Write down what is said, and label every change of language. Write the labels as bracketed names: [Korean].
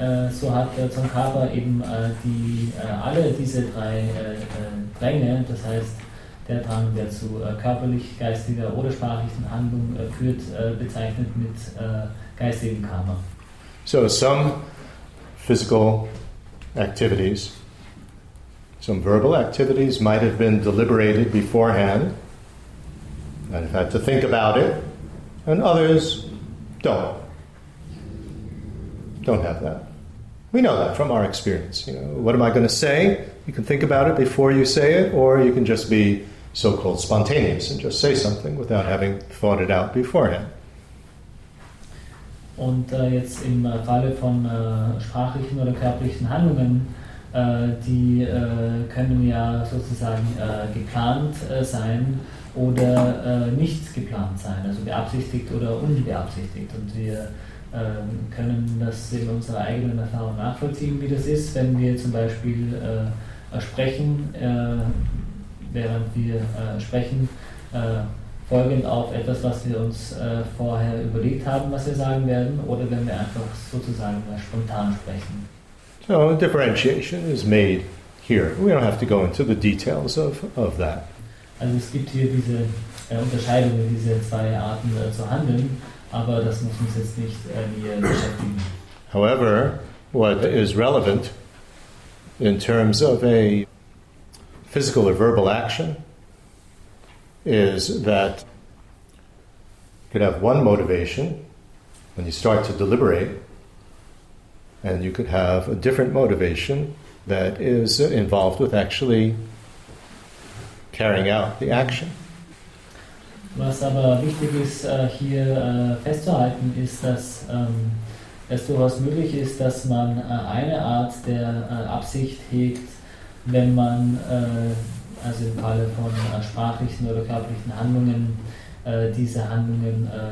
[German] so hat Tsongkhapa eben alle diese drei Dränge, das heißt der Drang, der zu körperlich, geistiger oder sprachlichen Handlung führt, bezeichnet mit geistigem Karma. [English] So some physical activities, some verbal activities might have been deliberated beforehand, might have had to think about it, and others don't. Don't have that. We know that from our experience. You know, what am I going to say? You can think about it before you say it, or you can just be so-called spontaneous and just say something without having thought it out beforehand. [German] Und jetzt im Falle von sprachlichen oder körperlichen Handlungen, die können ja sozusagen geplant sein oder nicht geplant sein, also beabsichtigt oder unbeabsichtigt. Und wir können das in unserer eigenen Erfahrung nachvollziehen, wie das ist, wenn wir zum Beispiel sprechen, während wir sprechen, folgend auf etwas, was wir uns vorher überlegt haben, was wir sagen werden, oder wenn wir einfach sozusagen spontan sprechen. [English] So, differentiation is made here. We don't have to go into the details of that. [German] Also es gibt hier diese Unterscheidung, diese zwei Arten zu handeln, aber das muss uns jetzt nicht beschäftigen. [English] However, what is relevant in terms of a physical or verbal action is that you could have one motivation when you start to deliberate, and you could have a different motivation that is involved with actually carrying out the action. [German] Was aber wichtig ist, hier festzuhalten, ist, dass es durchaus möglich ist, dass man eine Art der Absicht hegt, wenn man, also im Falle von sprachlichen oder körperlichen Handlungen, diese Handlungen